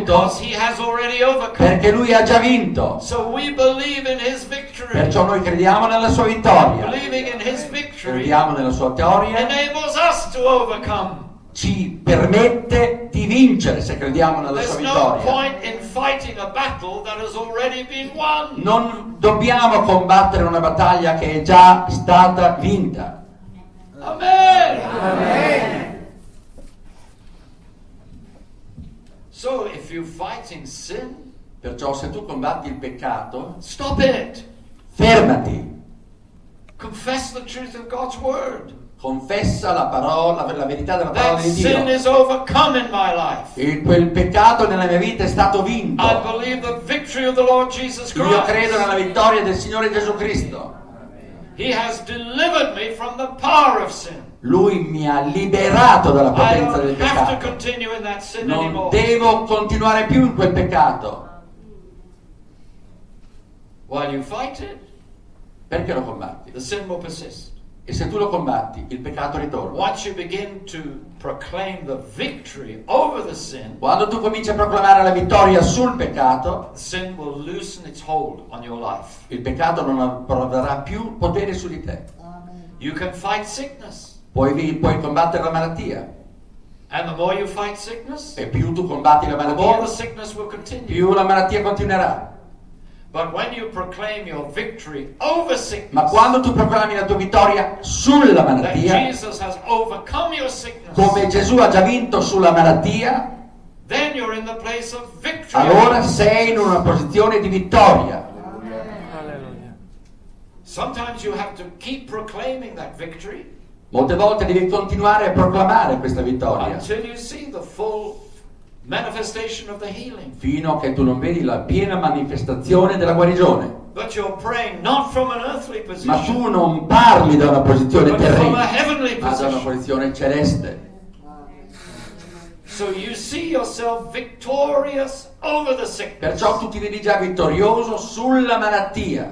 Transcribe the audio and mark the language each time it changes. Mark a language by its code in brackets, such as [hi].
[en] Because he has already overcome. [it] Perché lui ha già vinto. [en] So we believe in his victory. [it] Perciò noi crediamo nella sua vittoria. [en] Believing in his victory. [it] Crediamo nella sua vittoria. [en] Enables us to overcome. [it] Ci permette di vincere se crediamo nella sua vittoria. [en] There's no point in fighting a battle that has already been won. [it] Non dobbiamo combattere una battaglia che è già stata vinta. Amen. Amen. [en] So if you're fighting sin, [it] perciò se tu combatti il peccato, [en] stop it. [it] Fermati. [en] Confess the truth of God's word. [it] Confessa la parola, la verità della parola [en] that [it] di Dio. [en] Sin is overcome in my life. [it] E quel peccato nella mia vita è stato vinto. [en] I believe the victory of the Lord Jesus Christ. [it] Io credo nella vittoria del Signore Gesù Cristo. [en] He has delivered me from the power of sin. [it] Lui mi ha liberato dalla potenza del peccato. [en] I don't have to continue in that sin [it] non [en] anymore. [it] Devo continuare più in quel peccato. [en] While you fight it, [it] perché lo combatti? [en] The sin will persist. [it] E se tu lo combatti, il peccato ritorna. [en] Once you begin to proclaim the victory over the sin, [it] quando tu cominci a proclamare la vittoria sul peccato, [en] sin will loosen its hold on your life. [it] Il peccato non avrà più potere su di te. [en] You can fight sickness. [it] Puoi combattere la malattia. [en] And the more you fight sickness, [it] e più tu combatti la malattia, [en] the more the sickness will continue. [it] Più la malattia continuerà. [en] But when you proclaim your victory over sickness, [it] ma quando tu proclami la tua vittoria sulla malattia, [en] that Jesus has overcome your sickness, [it] come Gesù ha già vinto sulla malattia, [en] then you're in the place of victory. [it] Allora sei in una posizione di vittoria. [en] Sometimes you have to keep proclaiming that victory. [it] Molte volte devi continuare a proclamare questa vittoria. [en] Until you see the full manifestation of the healing. [it] Fino a che tu non vedi la piena manifestazione della guarigione. [en] But you're praying not from an earthly position. [it] Ma tu non parli da una posizione terrena. [en] From a heavenly position. [it] Ma da una posizione celeste. [en] So you see yourself victorious over the sickness. [it] Perciò tu ti vedi già vittorioso sulla malattia.